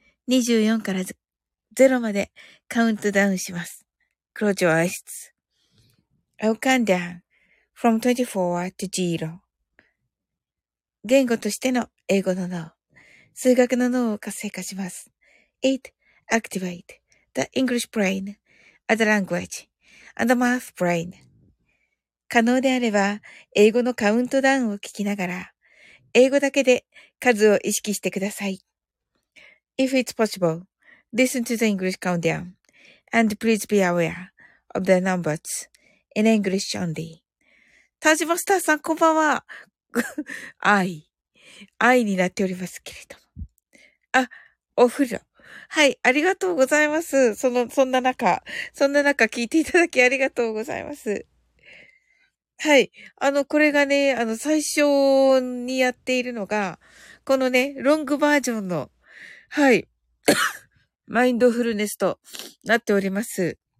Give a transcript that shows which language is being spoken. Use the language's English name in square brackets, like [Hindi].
[Japanese] 24から0までカウントダウンします。 [English] Close your eyes. I'll count down from 24 to 0. [Japanese] 言語としての英語の脳。数学の脳を活性化します。 [English] It activate. The English brain, as a language, and the math brain. [Japanese] 可能であれば、英語のカウントダウンを聞きながら、英語だけで数を意識してください。 [English] If it's possible, listen to the English countdown, and please be aware of the numbers in English only. [Japanese] タジマスターさん、こんばんは。愛。愛になっておりますけれども。あ、お風呂。はい、ありがとうございます。そんな中聞いていただきありがとうございます。はい、これがね、最初にやっているのが、このね、ロングバージョンの、はい、マインドフルネスとなっております。